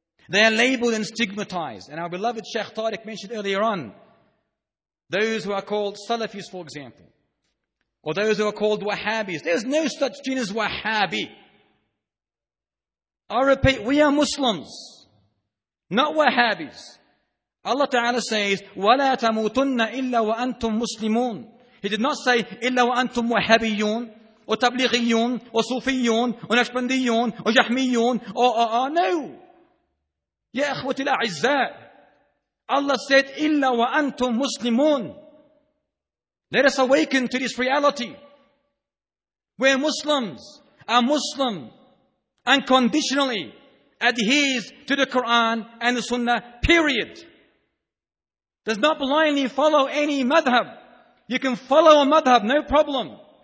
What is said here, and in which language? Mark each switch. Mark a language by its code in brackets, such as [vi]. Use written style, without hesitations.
[en] They are labeled and stigmatized. And our beloved Sheikh Tariq mentioned earlier on, those who are called Salafis, for example, or those who are called Wahhabis. There's no such thing as Wahhabi. I repeat, we are Muslims, not Wahhabis. Allah Ta'ala says, [ar] وَلَا تَمُوتُنَّ إِلَّا وَأَنْتُمْ مُسْلِمُونَ. [en] He did not say, [ar] إِلَّا وَأَنْتُمْ وَهَبِيُّونَ [en] or [ar] تَبْلِغِيُّونَ [en] or [ar] صُوفِيُّونَ [en] or [ar] نَشْبَنْدِيُّونَ [en] or [ar] جَحْمِيُّونَ [en] or no. [ar] يَا أَخْوَةِ الْأَعِزَّاءِ. [en] Allah said, [ar] إِلَّا وَأَنْتُمْ مُسْلِمُونَ. [en] Let us awaken to this reality. We are Muslims, a Muslim unconditionally adheres to the Quran and the Sunnah, period. Does not blindly follow any madhab. You can follow a madhab, no problem.